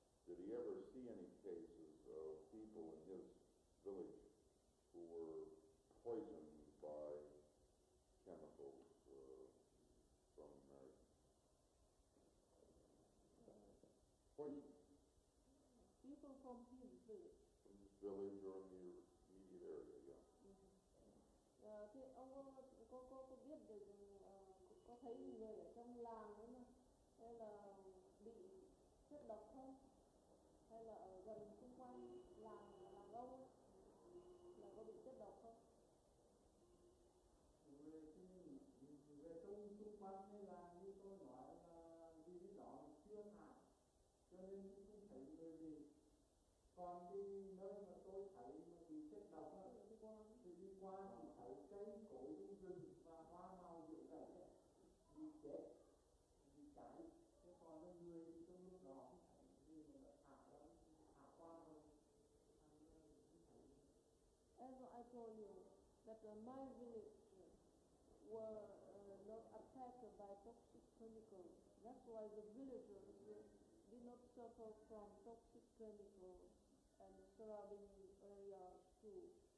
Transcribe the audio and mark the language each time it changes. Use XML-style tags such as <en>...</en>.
<en>Did he ever see any cases of people in his village who were poisoned by chemicals from America? People from his village. From his village or in the immediate area, yeah.</en> <vi>Thì ông có biết được có thấy người ở trong làng ấy mà hay là bị chất độc không hay là ở gần xung quanh làng ông ấy, là có bị chất độc không? Về trong xung quanh cái làng như tôi nói là vì cái đó chưa nặng cho nên không thấy người gì. Còn đi nơi mà tôi thấy mà bị chất độc á, thì đi qua thì thấy cây cối rừng và hoa màu dưới này ấy, bị chết, bị cháy. Thế còn là người thì trong lúc đó cũng thấy như là thả qua thôi.</vi> <en>As I told you, that my village were not attacked by toxic chemicals. That's why the villagers did not suffer from toxic chemicals and surrounding areas too.</en>